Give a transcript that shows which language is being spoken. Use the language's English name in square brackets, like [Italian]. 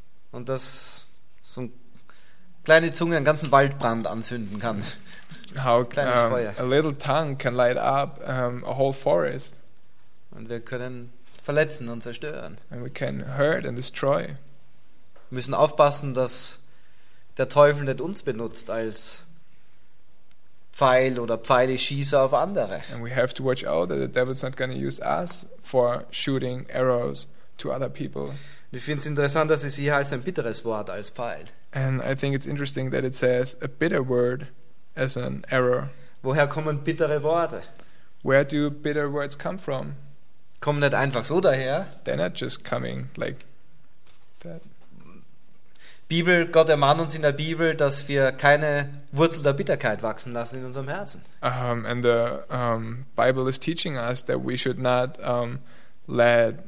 [German] Und dass so eine kleine Zunge einen ganzen Waldbrand anzünden kann. [English] How [German] kleines Feuer. [English] A little tongue can light up a whole forest. [German] Und wir können verletzen und zerstören. [English] And we can hurt and destroy. [German] Wir müssen aufpassen, dass der Teufel nicht uns benutzt als Pfeil oder Pfeile schießen auf andere. [English] And we have to watch out that the devil's not going to use us for shooting arrows to other people. [German] Und ich finde es interessant, dass es hier heißt ein bitteres Wort als Pfeil. [English] And I think it's interesting that it says a bitter word as an arrow. [German] Woher kommen bittere Worte? [English] Where do bitter words come from? [German] Kommen nicht einfach so daher. [English] They're not just coming like that. [German] Bibel, Gott ermahnt uns in der Bibel, dass wir keine Wurzel der Bitterkeit wachsen lassen in unserem Herzen. [English] And the Bible is teaching us that we should not let